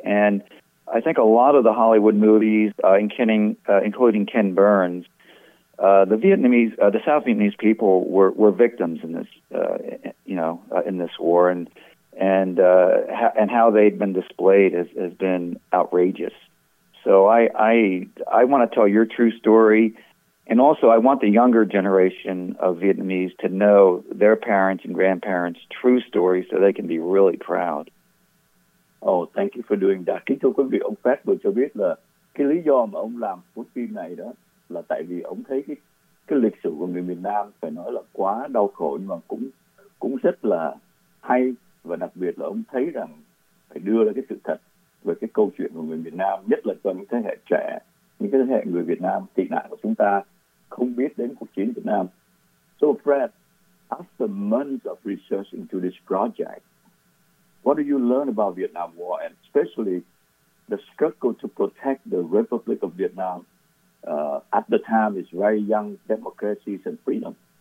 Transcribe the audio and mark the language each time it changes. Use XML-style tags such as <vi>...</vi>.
<en>And I think a lot of the Hollywood movies, including Ken Burns, the South Vietnamese people were victims in this, in this war, and how they'd been displayed has been outrageous. So I want to tell your true story, and also I want the younger generation of Vietnamese to know their parents and grandparents' true story so they can be really proud. Oh, thank you for doing that.</en> <vi>Kính thưa quý vị, ông Phát vừa cho biết là cái lý do mà ông làm cuốn phim này đó. Là tại vì ông thấy cái lịch sử của người miền Nam phải nói là quá đau khổ nhưng mà cũng rất là hay và đặc biệt là ông thấy rằng phải đưa ra cái sự thật về cái câu chuyện của người miền Nam, nhất là cho những thế hệ trẻ, những thế hệ người Việt Nam tị nạn của chúng ta không biết đến cuộc chiến Việt Nam.</vi> <en>So Fred, after months of research into this project, what do you learn about Vietnam War and especially the struggle to protect the Republic of Vietnam? At the time, it's very young democracies and freedom.</en>